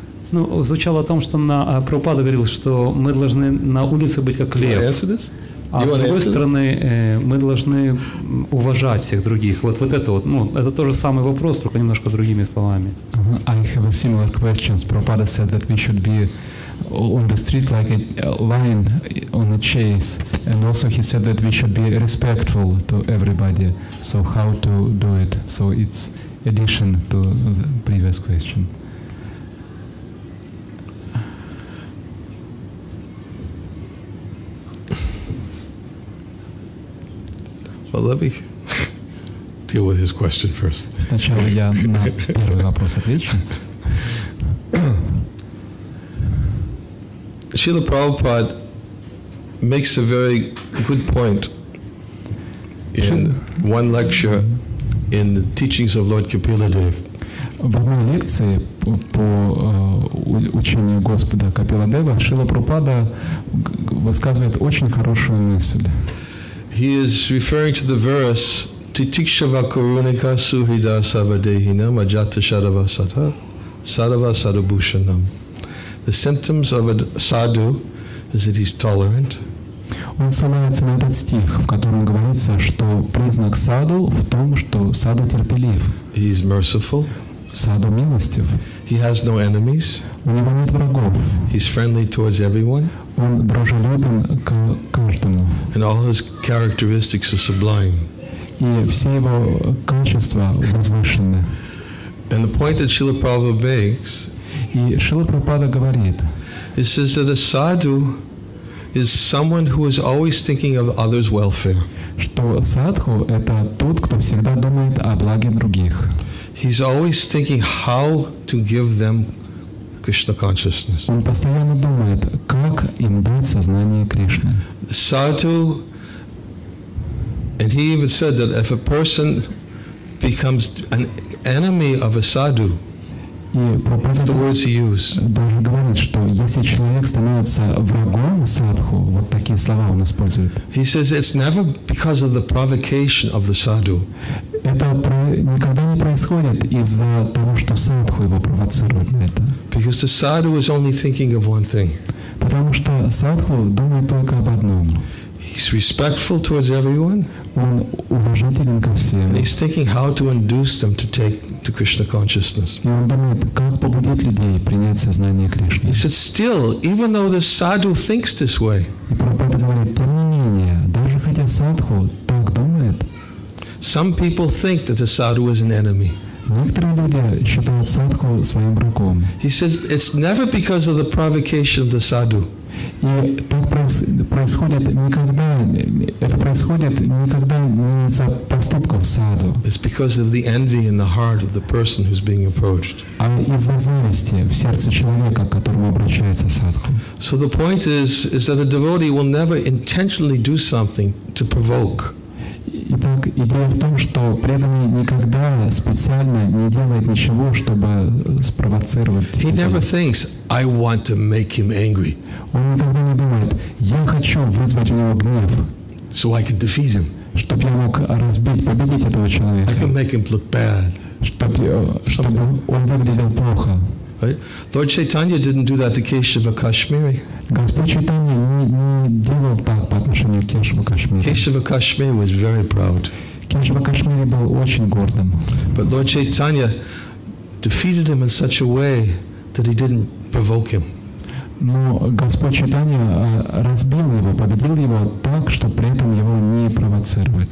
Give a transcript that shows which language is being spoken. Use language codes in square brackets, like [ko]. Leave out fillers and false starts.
[ru] Ну, звучало о том, что на Прабхупада говорил, что мы должны на улице быть как лев. А с другой стороны, мы должны уважать всех других. Вот, вот это вот, ну, это тот же самый вопрос, только немножко другими словами. [en] I have a similar question. Prabhupada said that we should be on the street like a lion on a chase. And also he said that we should be respectful to everybody. So how to do it? So it's addition to the previous question. Well, let me deal with his question first. [ru] Сначала я на первый вопрос отвечу. [en] Srila Prabhupada makes a very good point in one lecture in the teachings of Lord Kapiladev. [ru] В одной лекции по учению Господа Капиладева Шрила Прабхупада высказывает очень хорошую мысль. [en] He is referring to the verse [sa] Titikshava Karunika Suhida Savadehinam Ajata Sharavasata Sarava Sarabhushanam. [en] The symptoms of a sadhu is that he's tolerant. [ru] Он ссылается на этот стих, в котором говорится, что признак саду в том, что саду терпелив. [en] He's merciful. [ru] Саду милостив. [en] He has no enemies. [ru] У него нет врагов. [en] He's friendly towards everyone. [ru] Он дружелюбен к каждому. [en] And all his characteristics are sublime. [ru] И все его качества возвышены. [en] And the point that Srila Prabhupada makes, [ru] и Шрила Прабхупада говорит, [en] he says that a sadhu is someone who is always thinking of others' welfare. [ru] Что садху — это тот, кто всегда думает о благе других. [en] He's always thinking how to give them Krishna consciousness. [ru] Он постоянно думает, как им дать сознание Кришны. [en] Sadhu, and he even said that if a person becomes an enemy of a sadhu, that's the words he used. [ru] Даже говорит, что если человек становится врагом садху, вот такие слова он использует. [en] He says it's never because of the provocation of the sadhu. [ru] Это никогда не происходит из-за того, что садху его провоцирует на это. [en] Because the sadhu is only thinking of one thing. [ru] Потому что садху думает только об одном. [en] He's respectful towards everyone. [ru] Он уважителен ко всем. [en] And he's thinking how to induce them to take to Krishna consciousness. [ru] И он думает, как побудить людей принять сознание Кришны. [en] He said, still, even though the sadhu thinks this way. [ru] И Прабхупада говорит, тем не менее, даже хотя садху так думает. [en] Some people think that the sadhu is an enemy. [ru] Некоторые люди считают садху своим врагом. [en] He says it's never because of the provocation of the sadhu. [ru] И так происходит никогда. Это происходит никогда не из-за поступков садху. [en] It's because of the envy in the heart of the person who's being approached. [ru] А из-за зависти в сердце человека, к которому обращается садху. [en] So the point is that a devotee will never intentionally do something to provoke. [ru] Итак, идея в том, что преданный никогда специально не делает ничего, чтобы спровоцировать. [en] He never thinks, I want to make him angry. [ru] Он никогда не думает, я хочу вызвать у него гнев, [en] so I can defeat him. [ru] Чтобы я мог разбить, победить этого человека. [en] I can make him look bad. [ru] Чтобы он выглядел плохо. [en] Right? Lord Chaitanya didn't do that to Keshava Kashmiri. [ru] Господь Чайтанья не делал так по отношению к Кешава Кашмири. [en] Кешава Кашмири was very proud. [ru] Кешава Кашмири был очень гордым. [en] But Lord Chaitanya defeated him in such a way that he didn't provoke him. [ru] Но Господь Чайтанья разбил его, победил его так, что при этом его не провоцировать.